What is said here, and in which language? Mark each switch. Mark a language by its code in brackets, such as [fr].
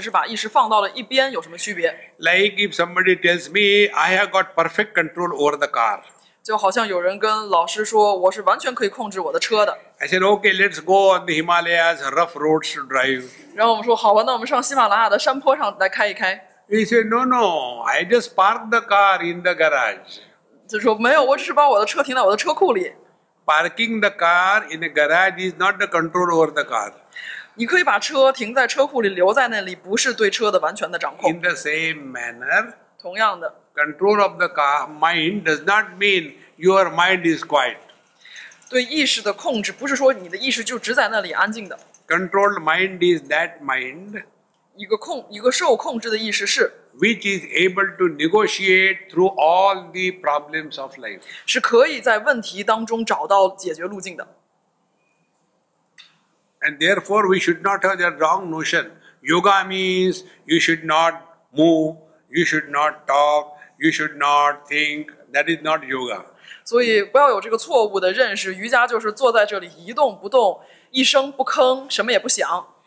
[zh] 一个受控制的意识和我们只是把意识放到了一边有什么区别？ [en] Like if somebody tells me, I have got perfect control over the car. [zh] 就好像有人跟老师说，我是完全可以控制我的车的。 [en] I said, okay, let's go on the Himalayas, rough roads to drive. [zh] 然后我们说，好吧，那我们上喜马拉雅的山坡上来开一开。 [en] He said, no, no, I just parked the car in the garage. [zh] 就说没有，我只是把我的车停在我的车库里。 [en] Parking the car in the garage is not the control over the car. [zh] 你可以把车停在车库里，留在那里，不是对车的完全的掌控。 [en] In the same manner, [zh] 同样的, [en] control of the car mind does not mean your mind is quiet. [zh] 对意识的控制不是说你的意识就只在那里安静的。 [en] Controlled mind is that mind [zh] 一个受控制的意识是 [en] which is able to negotiate through all the problems of life [zh] 是可以在问题当中找到解决路径的。 [en] And therefore we should not have that wrong notion. Yoga means you should not move, you should not talk, you should not think. That is not yoga. [zh] 所以不要有这个错误的认识，瑜伽就是坐在这里一动不动，一声不吭，什么也不想。